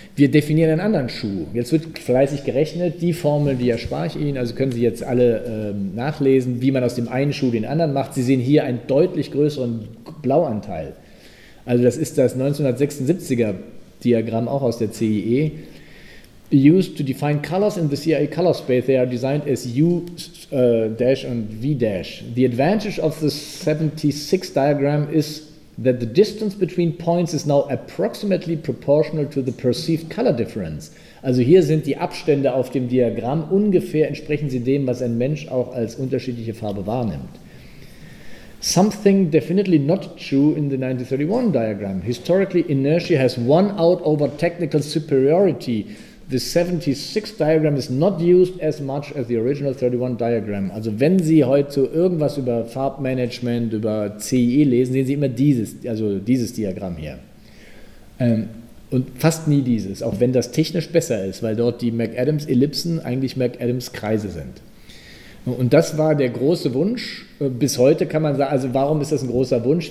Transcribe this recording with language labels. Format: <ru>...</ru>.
<de>Wir definieren einen anderen Schuh. Jetzt wird fleißig gerechnet, die Formel, die erspare ich Ihnen, also können Sie jetzt alle nachlesen, wie man aus dem einen Schuh den anderen macht. Sie sehen hier einen deutlich größeren Blauanteil. Also das ist das 1976er-Diagramm auch aus der CIE.</de> <en>Used to define colors in the CIA color space, they are designed as U dash and V dash. The advantage of the 76 diagram is that the distance between points is now approximately proportional to the perceived color difference.</en> <de>Also hier sind die Abstände auf dem Diagramm ungefähr entsprechen sie dem, was ein Mensch auch als unterschiedliche Farbe wahrnimmt.</de> <en>Something definitely not true in the 1931 diagram. Historically, inertia has won out over technical superiority. The 76 diagram is not used as much as the original 31 diagram.</en> <de>Also wenn Sie heute so irgendwas über Farbmanagement, über CIE lesen, sehen Sie immer dieses, also dieses Diagramm hier. Und fast nie dieses, auch wenn das technisch besser ist, weil dort die McAdams-Ellipsen eigentlich McAdams-Kreise sind. Und das war der große Wunsch. Bis heute kann man sagen, also warum ist das ein großer Wunsch?</de>